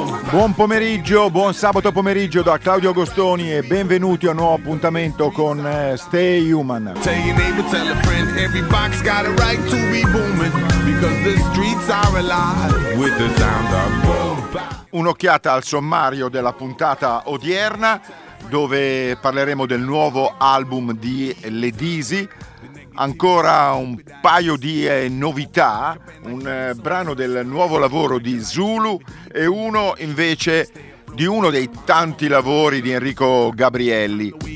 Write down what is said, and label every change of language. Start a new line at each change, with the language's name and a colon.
Italian: Buon pomeriggio, buon sabato pomeriggio da Claudio Agostoni e benvenuti a un nuovo appuntamento con Stay Human.
English: Tell your neighbor, tell a friend, every box got a right to be booming, because the streets are alive with the sound of boom.
Italian: Un'occhiata al sommario della puntata odierna, dove parleremo del nuovo album di Ledisi. Ancora un paio di novità, un brano del nuovo lavoro di Zulu e uno invece di uno dei tanti lavori di Enrico Gabrielli.